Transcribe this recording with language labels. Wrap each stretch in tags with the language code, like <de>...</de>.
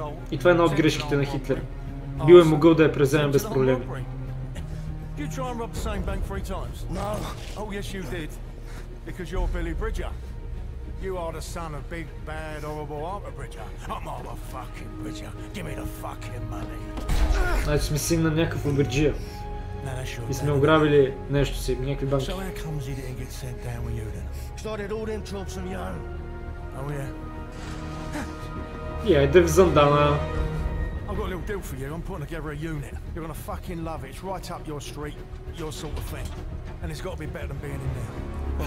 <bg>И това е една от грешките на Хитлер. Бил е могъл да я превземе без проблеми.</bg> <en>You try and rob the same bank three times? No. Oh, yes, you did. Because you're Billy Bridger. You are the son of big, bad, horrible Arthur Bridger. I'm Arthur fucking Bridger. Give me the fucking money.</en> <bg>Значи сме син на някакъв Бриджия. И сме ограбили нещо си, някакви банки.</bg> <en>So how comes he didn't get sent down with you then? Started all them troops from your own. Oh, yeah. Yeah, Dave Zandana. I've got a little deal for you. I'm putting together a unit. You're gonna fucking love it. It's right up your street, your sort of thing. And it's gotta be better than being in there.</en>